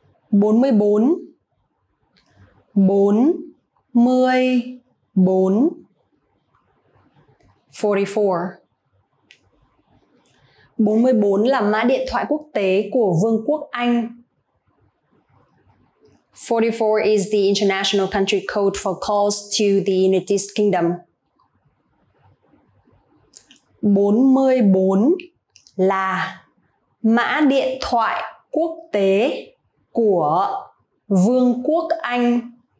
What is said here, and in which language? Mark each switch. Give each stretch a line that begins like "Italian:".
Vietnamese: 44. 44. 44 là mã điện thoại quốc tế của Vương quốc Anh.
English: 44 is the international country code for calls to the United Kingdom.
Vietnamese: 44 là mã điện thoại quốc tế của Vương quốc Anh.